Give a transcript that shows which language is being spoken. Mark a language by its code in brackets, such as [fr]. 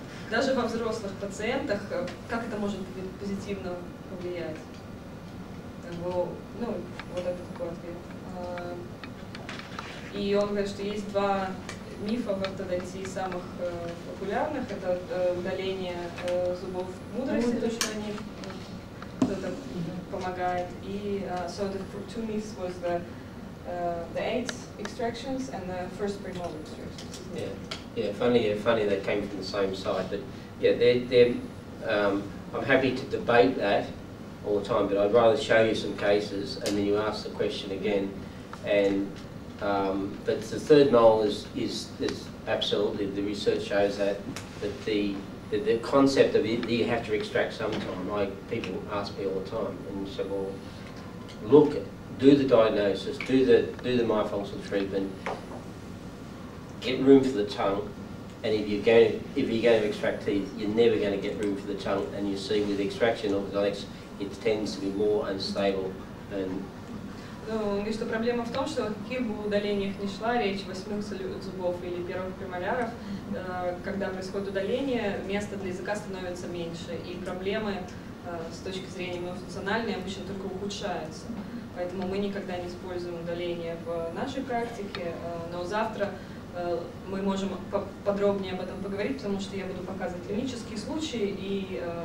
[ru] Даже во взрослых пациентах, как это может позитивно повлиять? Вот это такой ответ. И он говорит, что есть два мифа в ортодонтии самых популярных. Это удаление зубов мудрости, то, что они... Кто-то помогает. [en] И the two myths was the eight extractions and the first premolar extractions. Yeah, funny they came from the same side, but yeah, I'm happy to debate that all the time, but I'd rather show you some cases and then you ask the question again. And but the third molar is absolutely, the research shows that the concept of it, you have to extract sometime. People ask me all the time, and say, well, look, do the diagnosis, do the myofunctional treatment, get room for the tongue, and if you're going to extract teeth, you're never going to get room for the tongue, and you see with extraction orthodontics, it tends to be more unstable than. [ru] Ну, и что проблема в том, что о каких бы удалениях ни шла речь, восьмых зубов или первых премоляров, когда происходит удаление, места для языка становится меньше, и проблемы с точки зрения эмоциональной обычно только ухудшаются. Поэтому мы никогда не используем удаление в нашей практике, но завтра мы можем подробнее об этом поговорить, потому что я буду показывать клинические случаи, и